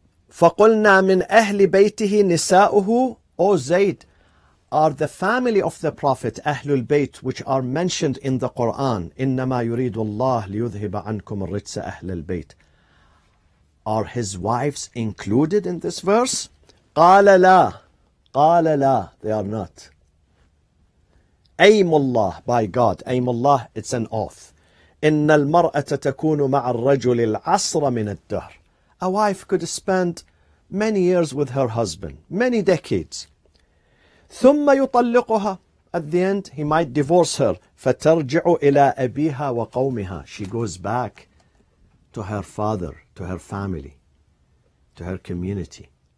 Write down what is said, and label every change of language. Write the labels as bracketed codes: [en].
[ar] فَقُلْنَا مِنْ أَهْلِ بَيْتِهِ نِسَاؤُهُ. [en] O Zayd, are the family of the Prophet, Ahlul Bayt, which are mentioned in the Quran, [ar] إِنَّمَا يُرِيدُ اللَّهُ لِيُذْهِبَ عَنْكُمْ الرِّجْسَ أَهْلَ الْبَيْتِ. [en] Are his wives included in this verse? [ar] قَالَ لَا, قَالَ لَا, [en] they are not. [ar] أيم الله, [en] by God, أيم الله, it's an oath. [ar] إن المرأة تكون مع الرجل العصر من الدهر. [en] A wife could spend many years with her husband, many decades. [ar] ثم يطلقها. [en] At the end, he might divorce her. [ar] فترجع إلى أبيها وقومها. [en] She goes back to her father, to her family, to her community.